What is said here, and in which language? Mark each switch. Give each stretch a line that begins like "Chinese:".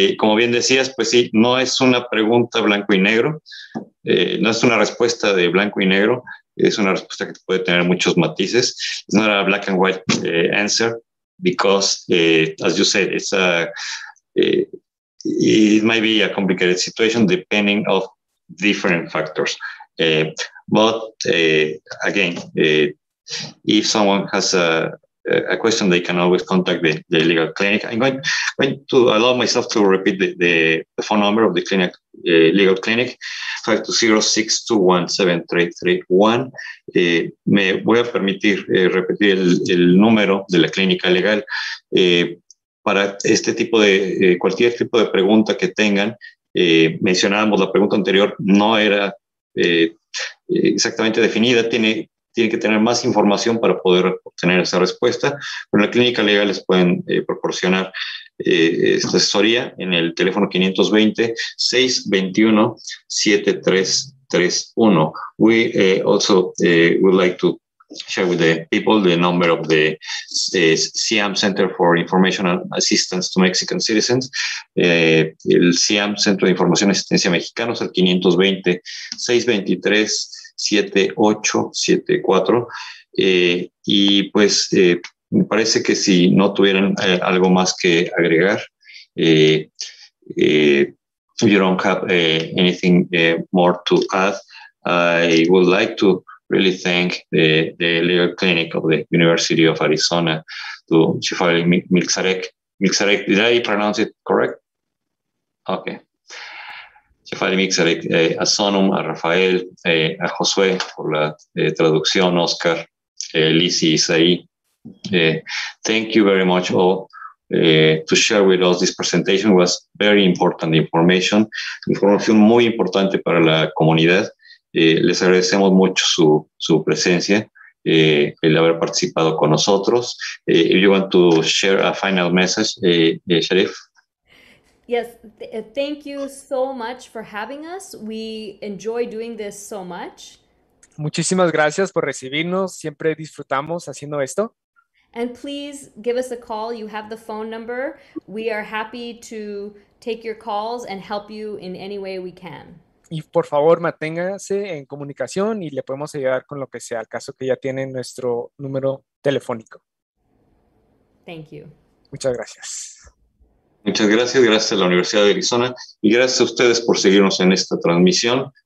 Spanish: Como bien decías, pues sí, no es una pregunta blanco y negro. No es una respuesta de blanco y negro. Es una respuesta que puede tener muchos matices.
English: It's not a black and white answer because, as you said, it might be a complicated situation depending of different factors. But again, if someone has a question, they can always contact the legal clinic. I'm going to allow myself to repeat the phone number of the clinic, legal clinic, 520-621-7331.
Spanish: Me voy a permitir repetir el número de la clínica legal para este tipo de cualquier tipo de pregunta que tengan. Mencionábamos la pregunta anterior, no era exactamente definida, tiene que tener más información para poder obtener esa respuesta. Pero en la clínica legal les pueden proporcionar esta asesoría en el teléfono 520-621-7331.
English: We also would like to share with the people the number of the SIAM Center for Information and Assistance to Mexican Citizens.
Spanish: El SIAM Centro de Información y Asistencia Mexicanos, el 520-623-7874. Y pues me parece que si no tuvieran algo más que agregar,
English: you don't have anything more to add, I would like to really thank the legal clinic of the University of Arizona, to Shefali Mixarek. Did I pronounce it correct? Okay. Shefali Mixarek, a Sonum, a Rafael, a Josué
Spanish: por la traducción,
English: Oscar, Lizzie, Isaí. Thank you very much all to share with us this presentation. It was very important information.
Spanish: Información muy importante para la comunidad. Les agradecemos mucho su presencia el haber participado con nosotros.
English: If you want to share a final message, Sharif. Yes, thank you so much for having us. We enjoy doing this so much.
Spanish: Muchísimas gracias por recibirnos. Siempre disfrutamos haciendo esto.
English: And please give us a call. You have the phone number. We are happy to take your calls and help you in any way we can.
Spanish: Y por favor, manténgase en comunicación y le podemos ayudar con lo que sea, al caso que ya tiene nuestro número telefónico.
English: Thank you.
Spanish: Muchas gracias. Muchas gracias. Gracias a la Universidad de Arizona. Y gracias a ustedes por seguirnos en esta transmisión.